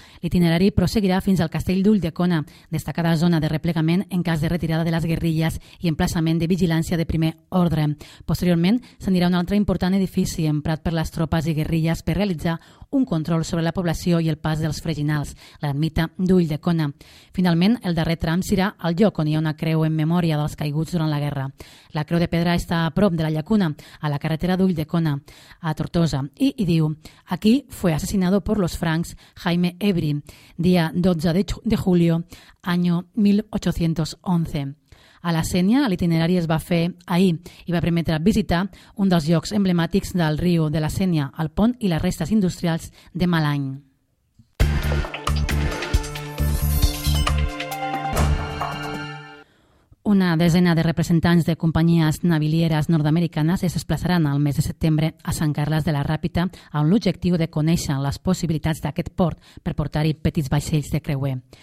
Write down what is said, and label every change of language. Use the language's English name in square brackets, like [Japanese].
[Catalan] L'itinerari proseguirà fins al castell d'Ulldecona, destacada zona de replegament en cas de retirada de les guerrilles i emplaçament de vigilància de primer ordre. Posteriorment, s'anirà a un altre important edifici emprat per les tropes i guerrilles per realitzar un control sobre la població i el pas dels freginals, l'ermita d'Ulldecona. Finalment, el darrer tram serà el lloc on hi ha una creu en memòria dels caiguts durant la guerra. La creu de pedra està a prop de la llacuna, a la carretera d'Ulldecona, a Tortosa, i diu: [Spanish] "Aquí fue asesinado por los francs Jaime Ebri, día 12 de julio, año 1811. [Catalan] A la Sénia, l'itinerari es va fer ahir i va permetre visitar un dels llocs emblemàtics del riu de la Sénia, el pont i les restes industrials de Malany. Una desena de representants de companyies navilieres nord-americanes es desplaçaran al mes de setembre a Sant Carles de la Ràpita amb l'objectiu de conèixer les possibilitats d'aquest port per portar-hi petits vaixells de creuer.